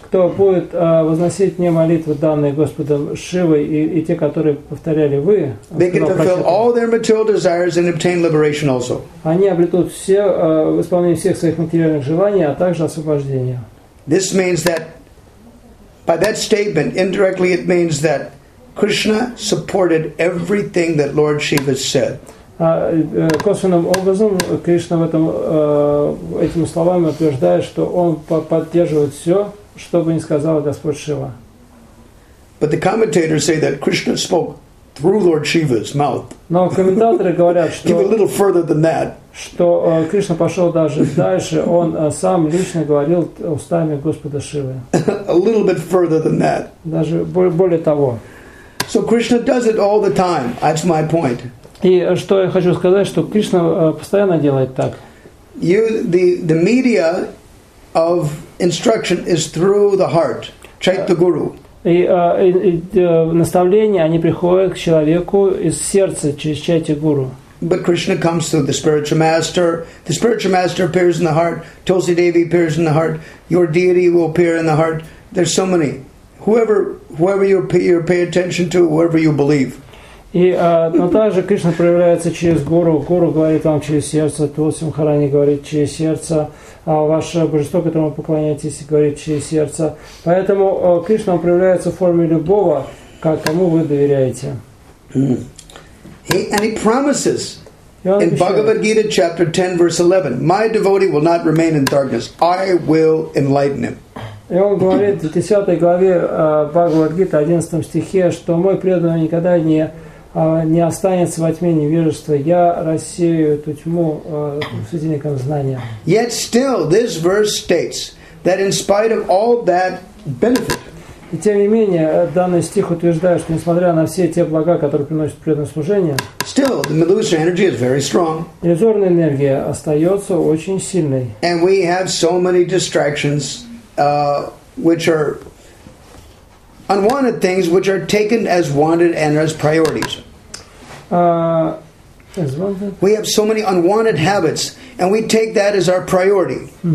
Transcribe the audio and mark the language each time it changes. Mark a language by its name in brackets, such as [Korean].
[Russian] Кто будет возносить мне молитвы, данные Господом Шивой, и те, которые повторяли вы, [English] they can fulfill all their material desires and obtain liberation also. [Russian] Они обретут все, исполнение всех своих материальных желаний, а также освобождение. [English] This means that, by that statement, indirectly it means that Krishna supported everything that Lord Shiva said. [Russian] Косвенным образом Кришна в этим словами утверждает, что он поддерживает все, что бы ни сказал Господь Шива. [English] But the commentators say that Krishna spoke through Lord Shiva's mouth. [Russian] Но комментаторы говорят, что [English] even a little further than that, [Russian] что Кришна пошел даже дальше, он сам лично говорил устами Господа Шивы. [English] A little bit further than that. [Russian] Даже более того. [English] So Krishna does it all the time. That's my point. [Russian] И что я хочу сказать, что Кришна постоянно делает так. [English] The media of instruction is through the heart, Chaitya Guru. [Russian] И наставления, они приходят к человеку из сердца, через Chaitya Guru. [English] But Krishna comes through the spiritual master. The spiritual master appears in the heart. Tulsi Devi appears in the heart. Your deity will appear in the heart. There's so many. Whoever you pay attention to, whoever you believe. [Russian] И но также Кришна проявляется через Гуру. Гуру говорит вам через сердце, Тулси Махарани говорит через сердце, а ваше божество, которому вы поклоняетесь, говорит через сердце. Поэтому Кришна проявляется в форме любого, кому вы доверяете. [English] And he promises in Bhagavad Gita, chapter 10, verse 11, my devotee will not remain in darkness. I will enlighten him. [Russian] И он говорит в 10 главе Бхагавад Гита, 11 стихе, что мой преданный никогда не останется во тьме невежества. Я рассею эту тьму светильником знания. [English] Yet still, this verse states that in spite of all that benefit, [Russian] И тем не менее, данный стих утверждает, что несмотря на все те блага, которые приносят преданное служение, [English] still, the militaristic energy is very strong. [Russian] Иллюзорная энергия остается очень сильной. [English] And we have so many distractions, which are unwanted things, which are taken as wanted and as priorities. We have so many unwanted habits, and we take that as our priority.